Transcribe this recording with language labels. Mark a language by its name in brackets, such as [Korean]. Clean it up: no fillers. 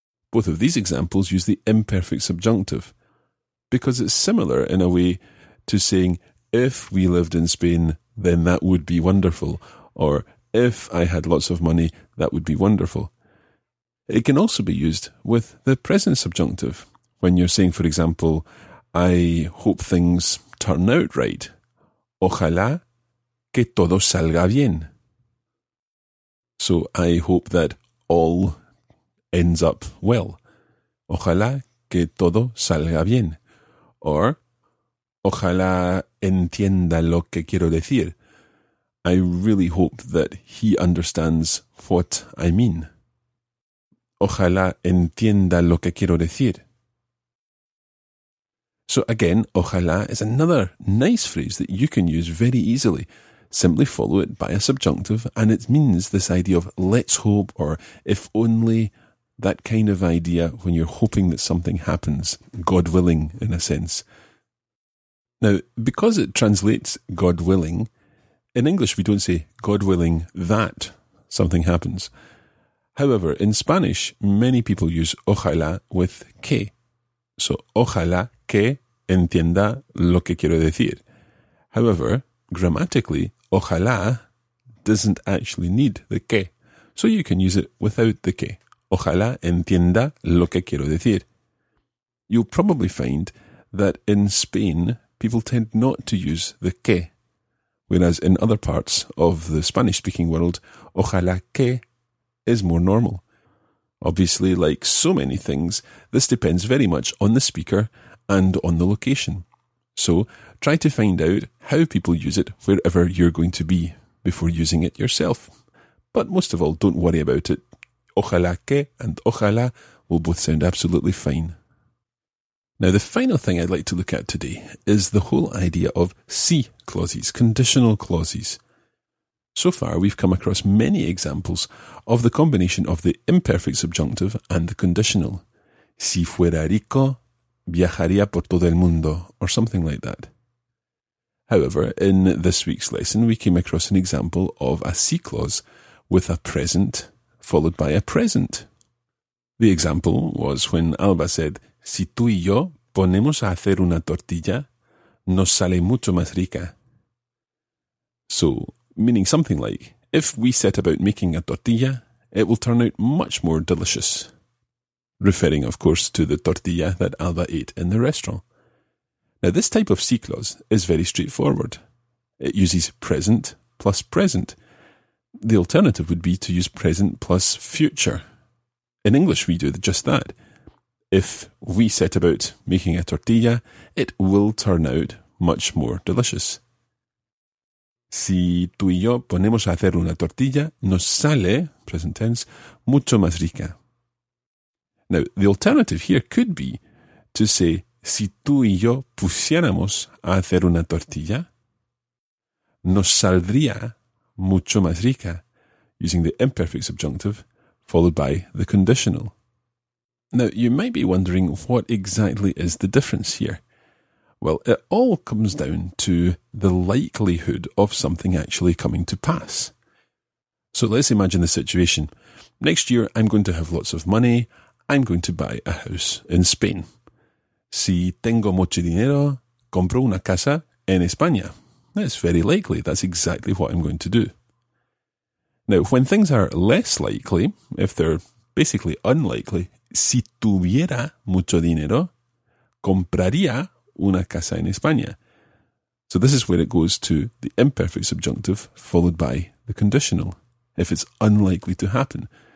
[English] Both of these examples use the imperfect subjunctive, because it's similar in a way to saying, if we lived in Spain, then that would be wonderful. Or, if I had lots of money, that would be wonderful. It can also be used with the present subjunctive, when you're saying, for example, I hope things turn out right. [Spanish] Ojalá que todo salga bien. [English] So I hope that all ends up well. [Spanish] Ojalá que todo salga bien. Or, ojalá entienda lo que quiero decir. [English] I really hope that he understands what I mean. [Spanish] Ojalá entienda lo que quiero decir. [English] So again, ojalá is another nice phrase that you can use very easily. Simply follow it by a subjunctive, and it means this idea of let's hope or if only, that kind of idea when you're hoping that something happens, God willing, in a sense. Now, because it translates God willing, in English we don't say God willing that something happens. However, in Spanish, many people use ojalá with que. So, [Spanish] ojalá que entienda lo que quiero decir. [English] However, grammatically, ojalá doesn't actually need the que. So you can use it without the que. [Spanish] Ojalá entienda lo que quiero decir. [English] You'll probably find that in Spain, people tend not to use the que. Whereas in other parts of the Spanish-speaking world, ojalá que is more normal. Obviously, like so many things, this depends very much on the speaker and on the location. So, try to find out how people use it wherever you're going to be before using it yourself. But most of all, don't worry about it. Ojalá que and ojalá will both sound absolutely fine. Now, the final thing I'd like to look at today is the whole idea of si clauses, conditional clauses. So far, we've come across many examples of the combination of the imperfect subjunctive and the conditional. [Spanish] Si fuera rico, viajaría por todo el mundo, [English] or something like that. However, in this week's lesson, we came across an example of a si clause with a present followed by a present. The example was when Alba said, [Spanish] si tú y yo ponemos a hacer una tortilla, nos sale mucho más rica. [English] So, meaning something like, if we set about making a tortilla, it will turn out much more delicious. Referring, of course, to the tortilla that Alba ate in the restaurant. Now, this type of si clause is very straightforward. It uses present plus present. The alternative would be to use present plus future. In English, we do just that. If we set about making a tortilla, it will turn out much more delicious. [Spanish] Si tú y yo ponemos a hacer una tortilla, nos sale, [English] present tense, [Spanish] mucho más rica. [English] Now, the alternative here could be to say, [Spanish] si tú y yo pusiéramos a hacer una tortilla, nos saldría mucho más rica, [English] using the imperfect subjunctive followed by the conditional. Now, you might be wondering what exactly is the difference here. Well, it all comes down to the likelihood of something actually coming to pass. So let's imagine the situation. Next year, I'm going to have lots of money. I'm going to buy a house in Spain. [Spanish] Si tengo mucho dinero, compro una casa en España. [English] That's very likely. That's exactly what I'm going to do. Now, when things are less likely, if they're basically unlikely, [Spanish] si tuviera mucho dinero, compraría una casa en España. [English] So this is where it goes to the imperfect subjunctive followed by the conditional, if it's unlikely to happen.